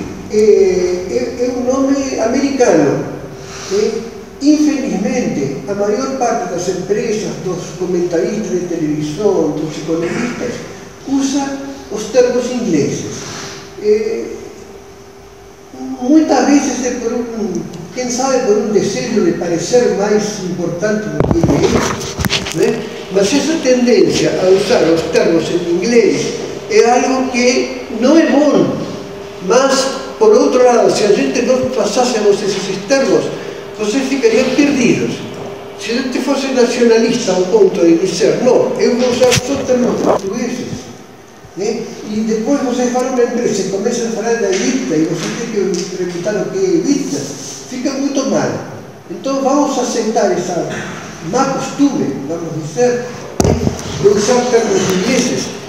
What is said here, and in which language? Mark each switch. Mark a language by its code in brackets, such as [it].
[es] Es un nombre americano. Infelizmente, la mayor parte de las empresas, los comentaristas de televisión, los economistas, usa los términos ingleses. [pt] Muitas vezes é por quem sabe por desejo de parecer mais importante do que ele é, né? Mas essa tendência a usar os termos em inglês é algo que não é bom, mas por outro lado, se a gente não passássemos esses termos, vocês ficariam perdidos. Se a gente fosse nacionalista ao ponto de dizer, não, eu vou usar só termos portugueses, né? [es] Y después vos van a una empresa y comienzan a hablar de EBITDA y vos tienen que preguntar lo que es EBITDA, fica muy mal. Entonces vamos a aceptar esa má costumbre, vamos a decir, de usar términos ingleses.